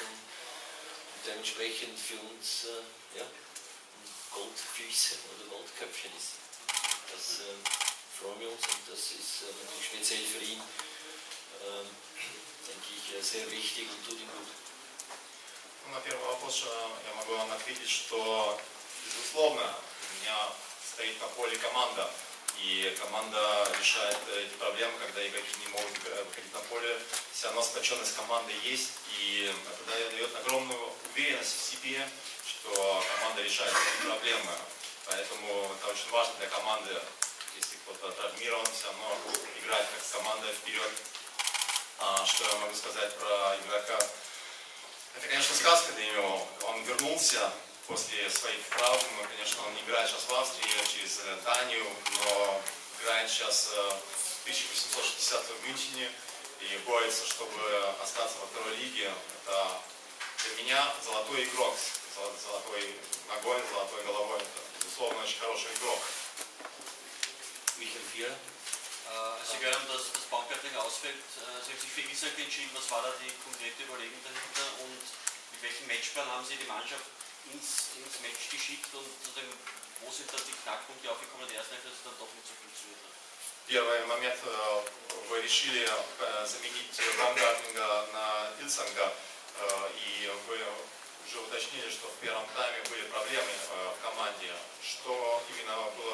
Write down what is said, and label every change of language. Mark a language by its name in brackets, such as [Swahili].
[German] Und, dementsprechend für uns ja, Goldfüße oder Goldköpfchen ist. Das freuen wir uns und das ist natürlich speziell für ihn, denke ich, sehr wichtig und tut ihm gut. [Russian] На первый вопрос я могу вам ответить, что безусловно у меня стоит на поле команда. И команда решает эти проблемы, когда игроки не могут выходить на поле. Вся у нас сплоченность команды есть, и это дает огромную уверенность в себе, что команда решает эти проблемы. Поэтому это очень важно для команды, если кто-то травмирован, все равно играет как команда вперед. А что я могу сказать про игрока? Это, конечно, сказка для него. Он вернулся после своих травм, конечно, он не играет сейчас в Австрии, через Данию, но играет сейчас в 1860 в Мюнхене и борется, чтобы остаться во второй лиге. Это для меня золотой игрок, золотой ногой, золотой головой. Это, безусловно, очень хороший игрок. Михаил Фира. [German] Sie hören, dass das Baumgartling ausfällt. Sie haben sich für Isak entschieden. Was war da die konkrete Überlegung dahinter und mit welchem Matchplan haben Sie die Mannschaft ins Match geschickt und wo sind dann die Knackpunkte aufgekommen, die erste Hälfte, dass es dann doch nicht so funktioniert hat? [Russian] Первый момент, вы решили заменить Баумгартлинга на Исака, и вы уже уточнили, что в первом тайме были проблемы в команде. Что именно